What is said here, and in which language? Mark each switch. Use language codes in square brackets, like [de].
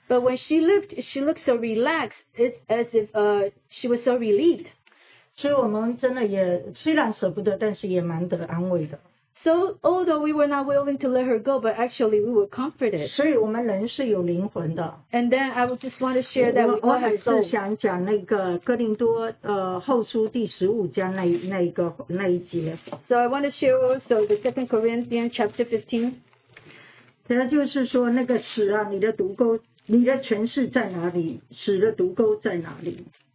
[en] But when she lived, she looked so relaxed. It's as if she was so relieved. [zh] 所以我们真的也虽然舍不得，但是也蛮得安慰的。 [en] So although we were not willing to let her go, but actually we were comforted. [zh] 所以我们人是有灵魂的。 [en] And then I would just want to share that we all have soul. [zh] 我还是想讲那个哥林多后书第十五章那一节。 [en] So I want to share also the 2 Corinthians chapter 15. [zh] 那就是说，那个死啊，你的毒钩，你的权势在哪里？死的毒钩在哪里？